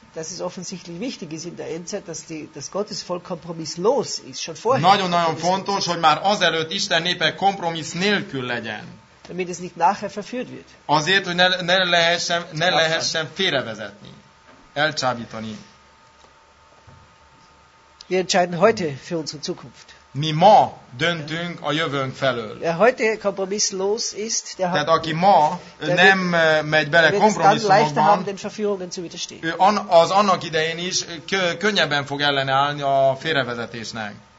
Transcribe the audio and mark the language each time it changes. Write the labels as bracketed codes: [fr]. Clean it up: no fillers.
[de] Das ist offensichtlich wichtig ist in der Endzeit, dass die das Gottesvolk kompromisslos ist schon vorher. [hu] Nagyon-nagyon fontos, hogy már azelőtt Isten népe kompromissz nélkül legyen. [de] Damit es nicht nachher verführt wird. [hu] Azért, hogy ne lehessen félrevezetni, elcsábítani. [de] Wir entscheiden heute für unsere Zukunft. [hu] Mi ma döntünk a jövőnk felől. [de] Der heute kompromisslos ist, der hat. [hu] Aki ma nem megy bele kompromisszumokba, az annak idején is könnyebben fog ellenállni a félrevezetésnek.